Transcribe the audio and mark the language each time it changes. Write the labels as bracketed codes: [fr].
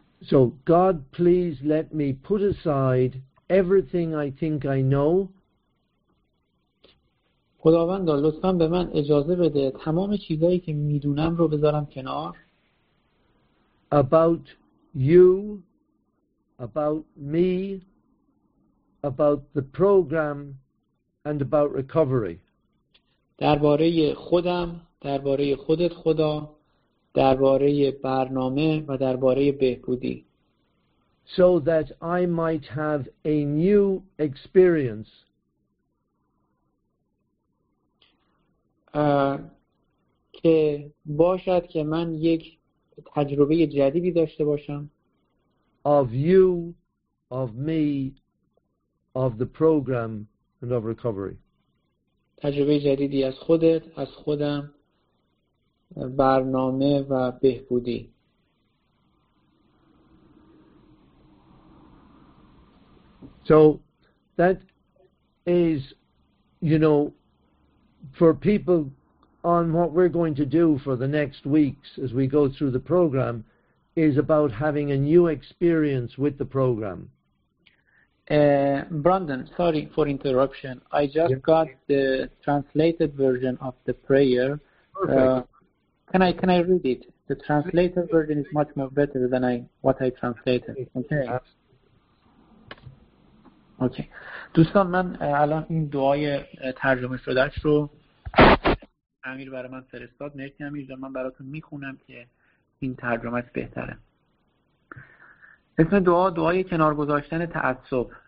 [en] So, God, please let me put aside everything I think I know. [fa] خداوند لطفاً به من اجازه بده تمام چیزایی که میدونم رو بذارم کنار. [en] About you, about me, about the program, and about recovery. [fa] درباره خودم، درباره خودت خدا، درباره برنامه و درباره بهبودی. [en] So that I might have a new experience. [fa] که باشد که من یک تجربه جدیدی داشته باشم. [en] Of you, of me, of the program, and of recovery. [fa] تجربه جدیدی از خودت، از خودم، برنامه و بهبودی. [en] So that is, you know, for people on what we're going to do for the next weeks as we go through the program is about having a new experience with the program. Brandon, sorry for interruption. I just yeah. got the translated version of the prayer. Can I read it? The translated version is much more better than what I translated. Okay. [fa] اوکی. دوستان من الان این دعای ترجمه شدهش رو امیر برای من فرستاد. مرسی امیر جان، من براتون میخونم که این ترجمه بهتره. اسم دعا، دعای کنار گذاشتن تعصب.